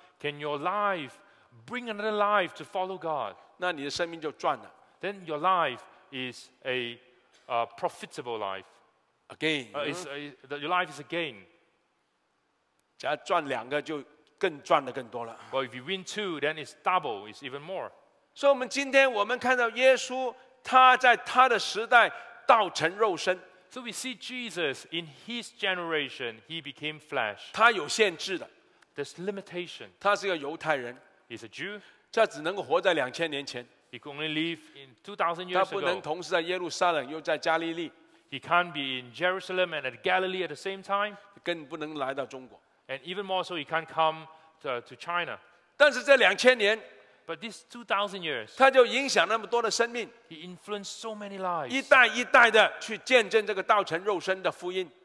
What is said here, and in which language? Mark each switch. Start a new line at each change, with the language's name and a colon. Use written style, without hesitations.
English: Can your life bring another life to follow God?
Chinese: 那你的生命就赚了。
English: Then your life is a profitable life. Again, your life is a gain.
Chinese: 只要赚两个，就更赚的更多了。
English: Well, if you win two, then it's double, it's even more.
Chinese: 所以，我们今天我们看到耶稣，他在他的时代道成肉身。
English: So we see Jesus in his generation, he became flesh.
Chinese: 他有限制的。
English: There's limitation.
Chinese: 他是一个犹太人。
English: He's a Jew.
Chinese: 他只能够活在2000年前。
English: He could only live in 2000 years ago.
Chinese: 他不能同时在耶路撒冷又在加利利。
English: He can't be in Jerusalem and at Galilee at the same time.
Chinese: 更不能来到中国。
English: And even more so, he can't come to China.
Chinese: 但是这2000年
English: ，But this 2000 years,
Chinese: 他就影响那么多的生命。
English: He influenced so many lives.
Chinese: 一代一代的去见证这个道成肉身的福音。